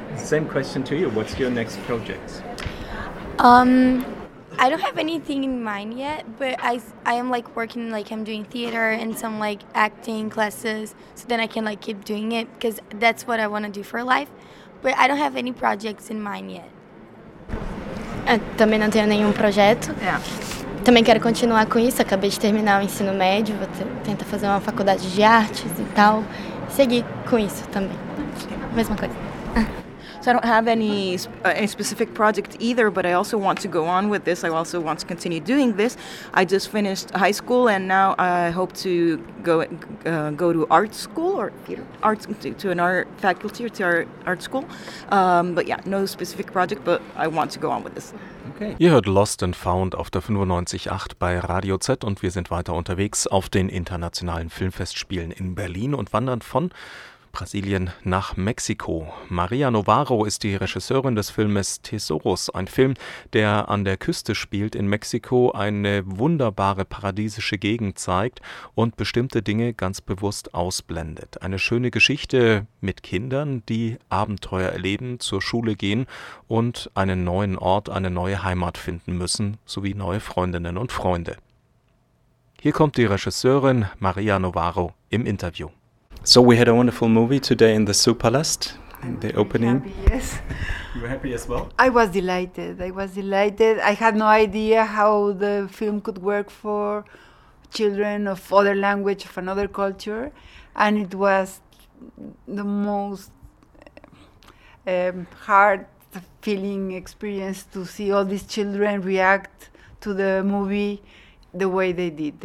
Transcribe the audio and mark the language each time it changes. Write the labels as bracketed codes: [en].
[en] Same question to you, what's your next project? I don't have anything in mind yet, but I am like working, like I'm doing theater and some like acting classes, so then I can like keep doing it, because that's what I want to do for life. But I don't have any projects in mind yet. [pt] Também não tenho nenhum projeto. [en] Yeah. [pt] Também quero continuar com isso, acabei de terminar o ensino médio, vou tentar fazer uma faculdade de artes e tal. Seguir com isso também. Mesma coisa. [en] So I don't have any specific project either, but I also want to go on with this. I also want to continue doing this. I just finished high school, and now I hope to go to art school or art to an art faculty or to art school. But yeah, no specific project, but I want to go on with this. Okay. [de] Ihr hört Lost and Found auf der 95.8 bei Radio Z und wir sind weiter unterwegs auf den internationalen Filmfestspielen in Berlin und wandern von Brasilien nach Mexiko. Maria Novaro ist die Regisseurin des Filmes Tesoros, ein Film, der an der Küste spielt in Mexiko, eine wunderbare paradiesische Gegend zeigt und bestimmte Dinge ganz bewusst ausblendet. Eine schöne Geschichte mit Kindern, die Abenteuer erleben, zur Schule gehen und einen neuen Ort, eine neue Heimat finden müssen, sowie neue Freundinnen und Freunde. Hier kommt die Regisseurin Maria Novaro im Interview. [en] So we had a wonderful movie today in the Supalast, the really opening. Happy, yes. You were happy as well? I was delighted. I had no idea how the film could work for children of other language, of another culture. And it was the most heart-feeling experience to see all these children react to the movie the way they did.